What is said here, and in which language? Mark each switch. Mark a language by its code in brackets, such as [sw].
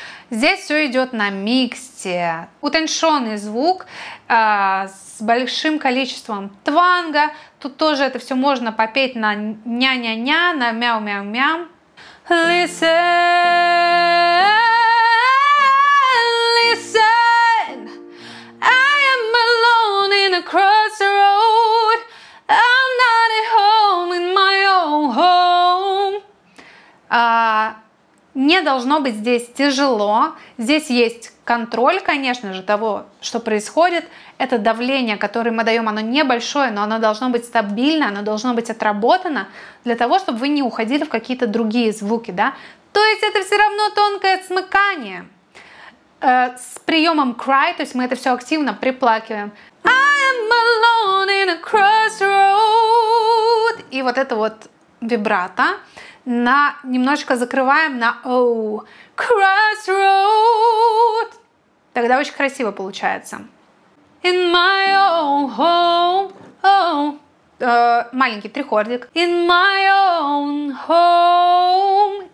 [ru] Здесь все идет на миксте. Утонченный звук с большим количеством тванга. Тут тоже это все можно попеть на ня-ня-ня, на мяу-мяу-мяу. [en] Listen, listen, I am alone in a crossroad, I'm not at home in my own home. [ru] Не должно быть здесь тяжело, здесь есть контроль, конечно же, того, что происходит. Это давление, которое мы даем, оно небольшое, но оно должно быть стабильно, оно должно быть отработано для того, чтобы вы не уходили в какие-то другие звуки, да? То есть это все равно тонкое смыкание. С приемом cry, то есть мы это все активно приплакиваем. [en] I am alone in a crossroad. [ru] И вот это вот вибрато. На, немножечко закрываем на [en] oh, crossroad. [ru] Тогда очень красиво получается. [en] In my own home, oh. [ru] Маленький трихордик. [en] In my own home.